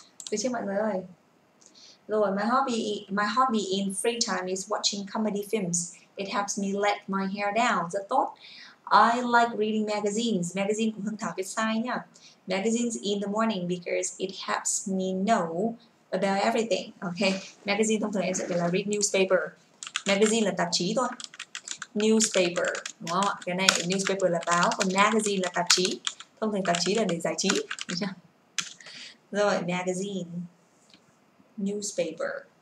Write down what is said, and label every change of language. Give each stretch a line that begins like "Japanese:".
Vietnamese: Từ chưa mọi người ơi.
English: Rồi, my hobby in free time is watching comedy films. It helps me let my hair down.
Vietnamese: Rất tốt.
English: I like reading magazines.
Vietnamese: Magazine cũng Hương Thảo viết sai nha.
English: Magazines in the morning because it helps me know about everything. Okay.
Vietnamese: Magazine thông thường em sẽ gọi là
English: read newspaper.
Vietnamese: Magazine là tạp chí thôi. Newspaper. Đúng không ạ? Cái này newspaper là báo, còn magazine là tạp chí. Thông thường tạp chí là để giải trí. Rồi, magazine. Newspaper.